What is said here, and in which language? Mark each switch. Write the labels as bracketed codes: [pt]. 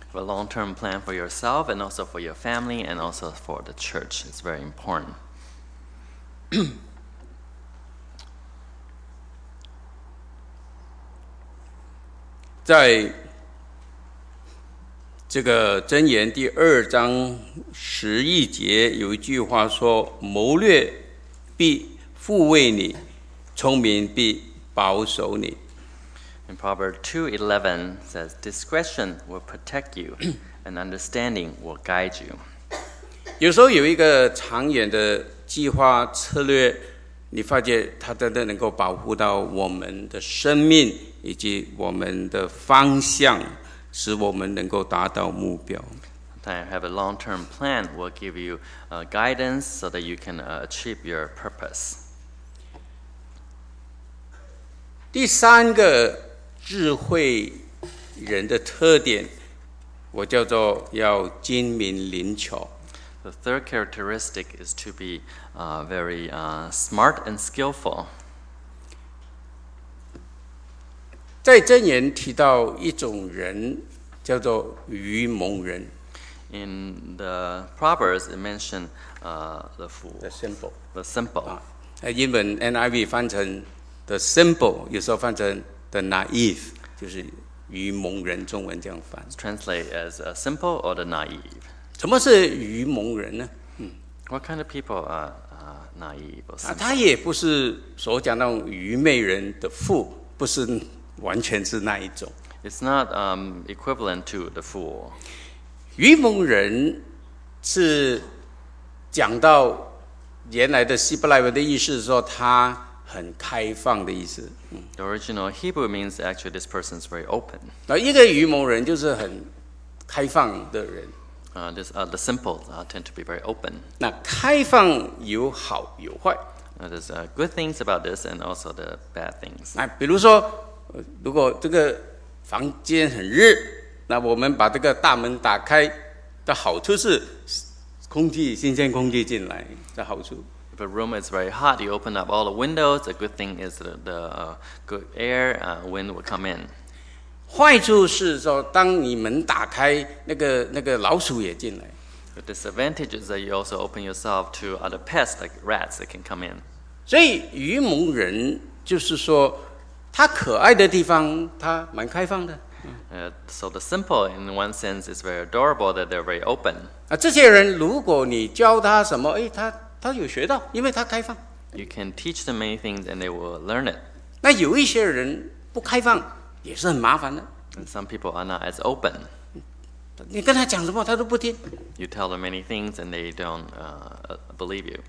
[en] A long-term plan for yourself and also for your family and also for the church. It's very important. [zh] 在这个箴言第二章十一节有一句话说，谋略必复位你，聪明必保守你。 [en] In Proverbs 2:11 says, "Discretion will protect you, and understanding will guide you." [zh] 有时候有一个长远的计划策略，你发觉它真的能够保护到我们的生命以及我们的方向，使我们能够达到目标。 [en] Sometimes have a long-term plan will give you guidance so that you can achieve your purpose. [zh] 第三个。智慧人的特点，我叫做要精明灵巧。 [en] The third characteristic is to be very smart and skillful. [zh] 在箴言提到一种人叫做愚蒙人。 [en] In the Proverbs, it mentioned the fool. The simple. The simple. [zh] 英文 NIV 翻成 [en] the simple， [zh] 有时候翻成 [en] The naive， [zh] 就是愚蒙人，中文这样翻。 [en] Translate as a simple or the naive。 [zh] 什么是愚蒙人呢？ [en] What kind of people are naive or simple？ [zh] 他也不是所讲那种愚昧人的fool，不是完全是那一种。 [en] It's not equivalent to the fool。 [zh] 愚蒙人是讲到原来的希伯来文的意思是说他。很开放的意思。 [en] The original Hebrew means actually this person is very open. [zh] 一个愚蒙人就是很开放的人。 [en] The simple tend to be very open. [zh] 那开放有好有坏。 [en] There's good things about this and also the bad things. [zh] 比如说，如果这个房间很热，那我们把这个大门打开的好处是空气新鲜空气进来的好处。 [en] If a room is very hot, you open up all the windows. A good thing is good air, wind will come in. [zh] 坏处是说，当你门打开，那个老鼠也进来。 [en] The disadvantage is that you also open yourself to other pests like rats that can come in. [zh] 所以愚蒙人就是说，他可爱的地方，他蛮开放的。 [en] So the simple, in one sense, is very adorable that they're very open. [zh] 这些人如果你教他什么，哎，他有学到，因为他开放。 [en] You can teach them many things and they will learn it. [zh] 那有一些人不开放也是很麻烦的。 [en] And some people are not as open. [zh] 你跟他讲什么他都不听。 [en] You tell them many things and they don't believe you.